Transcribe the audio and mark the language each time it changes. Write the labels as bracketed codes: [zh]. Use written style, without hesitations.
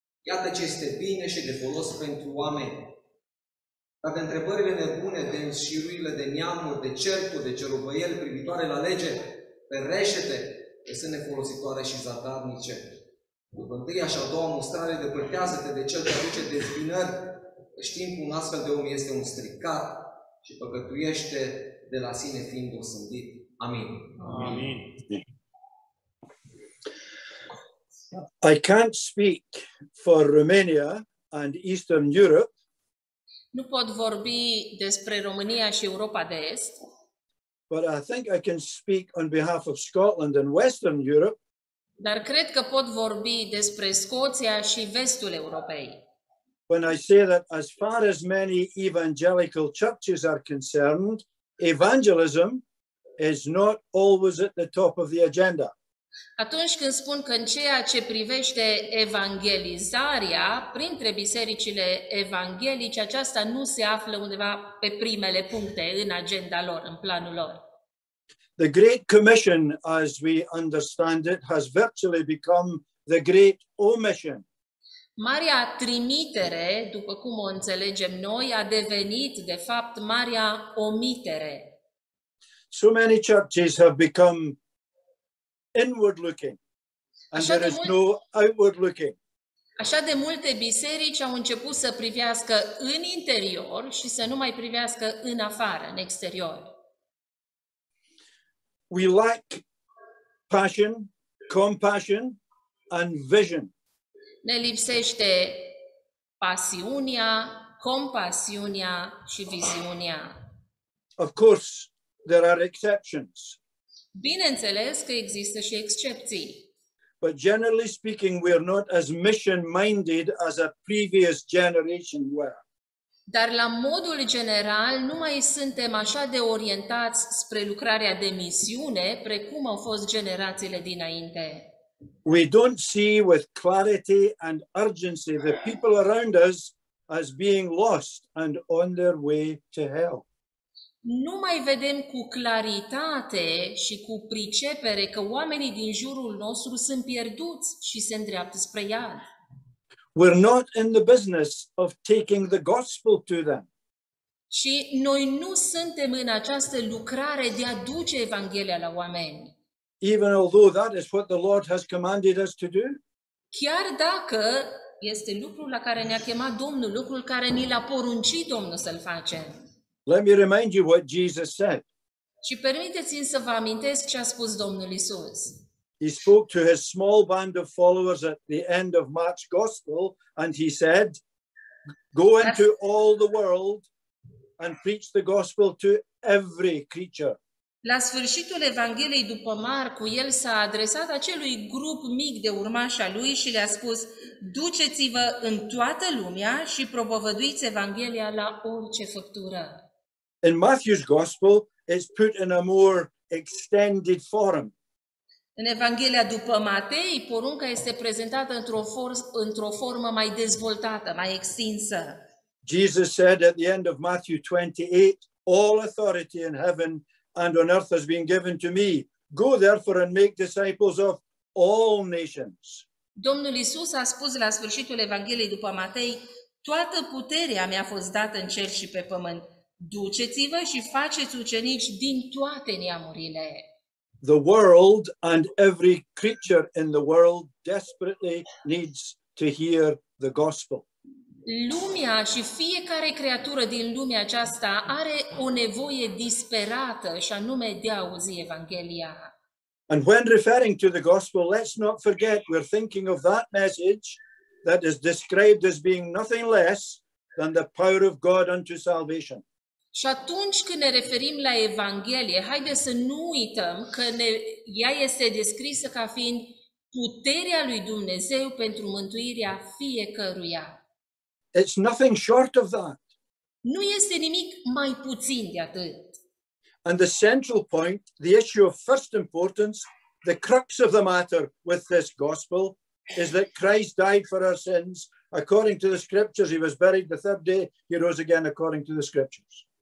[ro] Iată ce este bine și de folos pentru oameni. Dar de întrebările nebune, de înșiruirile, de neamuri, de certuri, de cerubăieli privitoare la lege, pereșete, este nefolositoare și zadarnice. După întâia și a doua mustrare, depărtează-te de cel ce aduce dezbinări, știind că un astfel de om este un stricat și păcătuiește de la sine fiind osândit. Amin. Amin. [en] I can't speak for Romania and Eastern Europe. [ro] Nu pot vorbi despre România și Europa de Est. [en] But I think I can speak on behalf of Scotland and Western Europe. [ro] Dar cred că pot vorbi despre Scoția și vestul Europei. [en] When I say that as far as many evangelical churches are concerned, evangelism is not always at the top of the agenda. [ro] Atunci când spun că în ceea ce privește evangelizarea printre bisericile evanghelice, aceasta nu se află undeva pe primele puncte în agenda lor, în planul lor. [en] The Great Commission, as we understand it, has virtually become the Great Omission. [ro] Marea trimitere, după cum o înțelegem noi, a devenit, de fapt, marea omitere. [en] So many churches have become inward looking and there is no outward looking. [ro] Așa de multe biserici au început să privească în interior și să nu mai privească în afară, în exterior. [en] We lack passion, compassion and vision. [ro] Ne lipsește pasiunea, compasiunea și viziunea. [en] Of course, there are exceptions. [ro] Bineînțeles că există și excepții. [en] But generally speaking, we are not as mission-minded as a previous generation were. [ro] Dar la modul general, nu mai suntem așa de orientați spre lucrarea de misiune precum au fost generațiile dinainte. [en] We don't see with clarity and urgency the people around us as being lost and on their way to hell. [ro] Nu mai vedem cu claritate și cu pricepere că oamenii din jurul nostru sunt pierduți și se îndreaptă spre iad. [en] We're not in the business of taking the gospel to them. [ro] Și noi nu suntem în această lucrare de a duce Evanghelia la oameni. [en] Even although that is what the Lord has commanded us to do. [ro] Chiar dacă este lucrul la care ne-a chemat Domnul, lucrul care ni l-a poruncit Domnul să-l facem. [en] Let me remind you what Jesus said. [ro] Și permiteți-mi să vă amintesc ce a spus Domnul Iisus. [en] He spoke to his small band of followers at the end of Mark's Gospel and he said, go into all the world and preach the gospel to every creature. [ro] La sfârșitul Evangheliei după Marcu, el s-a adresat acelui grup mic de urmași a lui și le-a spus, duceți-vă în toată lumea și propovăduiți Evanghelia la orice făptură. [en] In Matthew's Gospel, it's put in a more extended form. [ro] În Evanghelia după Matei, porunca este prezentată într-o formă mai dezvoltată, mai extinsă. [en] Jesus said at the end of Matthew 28, all authority in heaven and on earth has been given to me. Go therefore and make disciples of all nations. [ro] Domnul Iisus a spus la sfârșitul Evangheliei după Matei, toată puterea mi-a fost dată în cer și pe pământ. Duceți-vă și faceți ucenici din toate neamurile. [en] The world and every creature in the world desperately needs to hear the gospel. [ro] Lumea și fiecare creatură din lumea aceasta are o nevoie disperată și anume de a auzi Evanghelia. [en] And when referring to the gospel, let's not forget we're thinking of that message that is described as being nothing less than the power of God unto salvation. [ro] Și atunci când ne referim la Evanghelie, haideți să nu uităm că ea este descrisă ca fiind puterea lui Dumnezeu pentru mântuirea fiecăruia. [en] It's nothing short of that. [ro] Nu este nimic mai puțin de atât. [en] And the central point, the issue of first importance, the crux of the matter with this gospel is that Christ died for our sins according to the scriptures. He was buried the third day. He rose again according to the scriptures.